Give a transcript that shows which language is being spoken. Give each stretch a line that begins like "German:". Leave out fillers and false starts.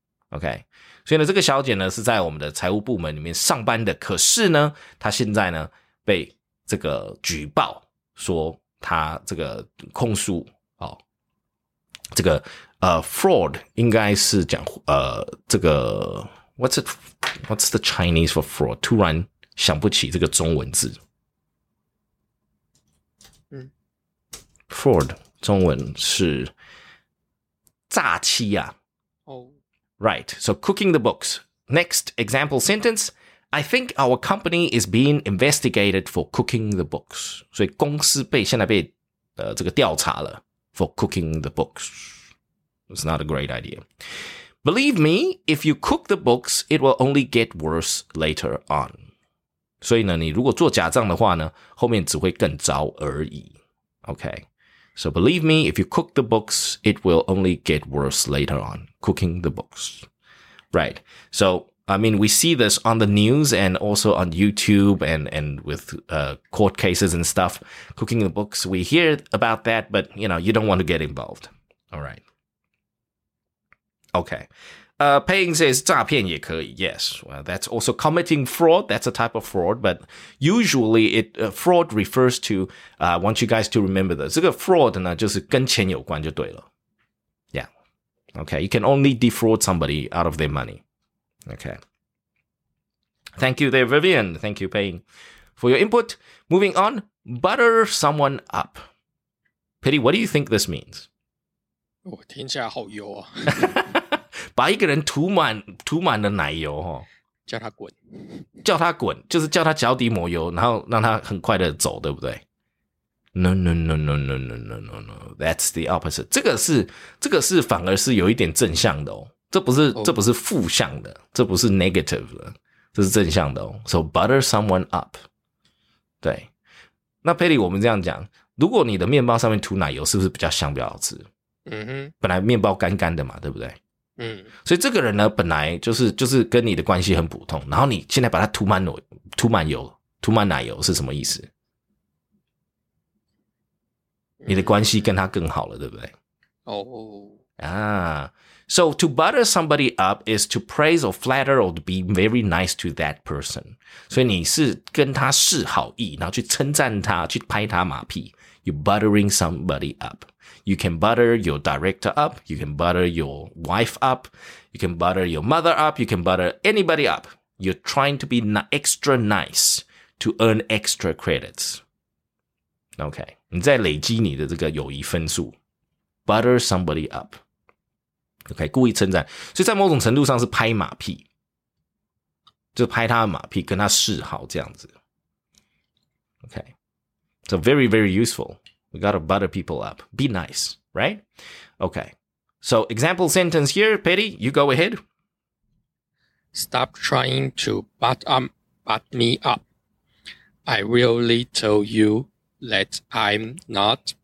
Chinese: Okay所以呢，这个小姐呢是在我们的财务部门里面上班的，可是呢，她现在呢被这个举报说她这个控诉哦，这个fraud 应该是讲这个
English: what's the Chinese for fraud？
Chinese: 突然想不起这个中文字。嗯，fraud 中文是诈欺啊。
English: Right, so cooking the books. Next example sentence, I think our company is being investigated for cooking the books.
Chinese: 所以公司现在被这个调查了
English: for cooking the books. It's not a great idea. Believe me, if you cook the books, it will only get worse later on.
Chinese: 所以呢，你如果做假账的话呢，后面只会更糟而已。
English: Okay. So believe me, if you cook the books, it will only get worse later on. Cooking the books. Right. So, I mean, we see this on the news and also on YouTube and with court cases and stuff. Cooking the books, we hear about that, but, you know, you don't want to get involved. All right. Okay. Paying says
Chinese: 诈骗也可以
English: Yes, well, that's also committing fraud. That's a type of fraud. But usually it, fraud refers to, I want you guys to remember this.
Chinese: 这个 fraud 呢就是跟钱有关就对了。
English: Yeah. Okay. You can only defraud somebody out of their money. Okay. Thank you there, Vivian. Thank you, Paying, for your input. Moving on, butter someone up. Pity, what do you think this means?
Chinese: 哦，听起来好油啊！把一个人涂满了奶油哈、哦，叫他滚，叫他滚，就是叫他脚底抹油，然后让他很快的走，对不对 ？
English: No no no no no no no no no, that's the opposite.
Chinese: 这个是反而是有一点正向的哦，这不是负向的，这不是 negative 的，这是正向的哦。
English: So butter someone up.
Chinese: 对，那佩里，我们这样讲，如果你的面包上面涂奶油，是不是比较香，比较好吃？嗯哼，本来面包干干的嘛，对不对？嗯，所以这个人呢，本来就是跟你的关系很普通，然后你现在把他涂满油，涂满奶油是什么意思？你的关系跟他更好了，对不对？哦，
English: So to butter somebody up is to praise or flatter or to be very nice to that person. 所以你是跟他示好意，然后去称赞他，去拍他马屁。 You're buttering somebody up. You can butter your director up. You can butter your wife up. You can butter your mother up. You can butter anybody up. You're trying to be extra nice to earn extra credits. Okay.
Chinese: 你在累积你的这个友谊分数。
English: Butter somebody up.
Chinese: OK, 故意称赞，所以在某种程度上是拍马屁，就拍他的马屁，跟他示好这样子。
English: OK, so very very useful. We gotta butter people up. Be nice, right? OK, so example sentence here, Petty, you go ahead. Stop trying to butt me up. I really told you that I'm not.